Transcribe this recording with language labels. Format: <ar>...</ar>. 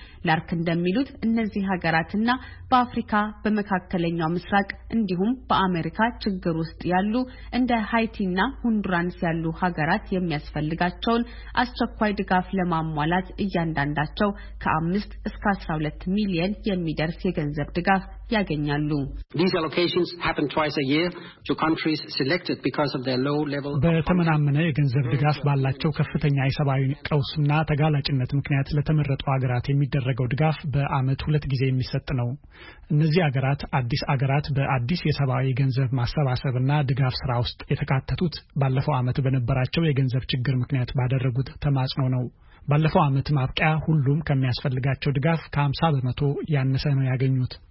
<am>ላርክ እንደሚሉት እነዚህ ሀገራትና በአፍሪካ በመካከለኛው ምስራቅ እንዲሁም በአሜሪካ ችግር ውስጥ ያሉ እንደ ሃይቲና ሁንዱራስ ያሉ ሀገራት የሚያስፈልጋቸውን አስቸኳይ ድጋፍ ለማሟላት እያንዳንዳቸው ከ5 እስከ 12 ሚሊዮን የሚደርስ የገንዘብ ድጋፍ ያገኛሉ።</am> <en>These allocations happen twice a year to countries selected because of their low level of</en> <am>በተመናመነ የገንዘብ ድጋፍ ባላቸው ከፍተኛ የሰብአዊ ቀውስና ተጋላጭነት ምክንያት ለተመረጡ ሀገራት የሚደረገው ድጋፍ በአመት 2 ጊዜ የሚሰጥ ነው። እነዚህ ሀገራት አዲስ ሀገራት በአዲስ የሰብአዊ ገንዘብ ማሰባሰብና ድጋፍ ስራ ውስጥ የተካተቱት ባለፈው አመት በነበራቸው የገንዘብ ችግር ምክንያት ባደረጉት ተማጽኖ ነው። ባለፈው አመት ማብቂያ ሁሉም ከሚያስፈልጋቸው ድጋፍ ከ50% ያነሰ ነው ያገኙት።</am>